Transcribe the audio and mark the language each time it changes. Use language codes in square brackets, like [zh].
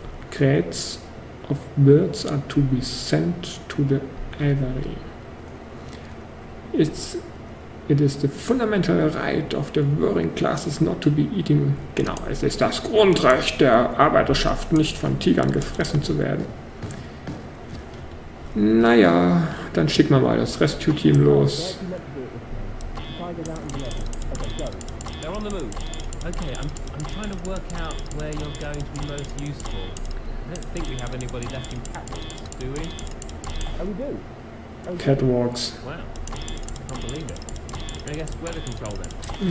[en] Crates of birds are to be sent to the aviary. It is the fundamental right of the working classes not to be eating. [de] Genau, es ist das Grundrecht der Arbeiterschaft, nicht von Tigern gefressen zu werden. Naja, dann schicken wir mal das Rescue-Team los. [en] They're on the move. Okay, I'm trying to work out where you're going to be most useful. I don't think we have anybody left in catwalks, do we? Oh, we do. Catwalks. Wow. I can't believe it. I guess weather control then.